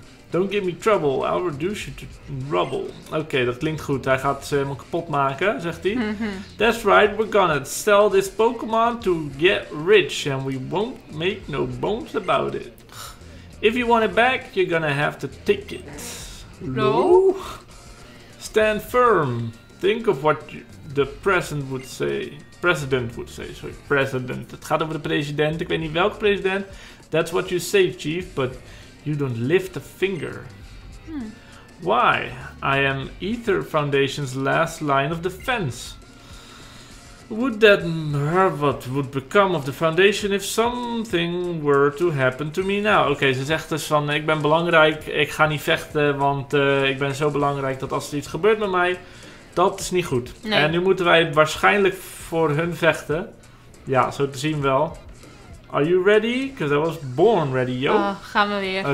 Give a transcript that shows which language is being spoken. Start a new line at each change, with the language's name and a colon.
English: Don't give me trouble, I'll reduce you to rubble.
Dutch: Oké, dat klinkt goed. Hij gaat ze helemaal kapot maken, zegt hij.
English: That's right, we're gonna sell this Pokemon to get rich. And we won't make no bones about it. If you want it back, you're gonna have to take it. Low? Stand firm. Think of what the present would say. President would say, sorry, president.
Dutch: Het gaat over de president, ik weet niet welke president.
English: That's what you say, chief, but you don't lift a finger. Why? I am Aether Foundation's last line of defense. Would that what would become of the foundation if something were to happen to me now?
Dutch: Oké, ze zegt dus van, ik ben belangrijk, ik ga niet vechten, want ik ben zo belangrijk dat als er iets gebeurt met mij... Dat is niet goed. Nee. En nu moeten wij waarschijnlijk voor hun vechten. Ja, zo te zien wel.
English: Are you ready? Because I was born ready, yo.
Dutch: Oh, gaan we weer.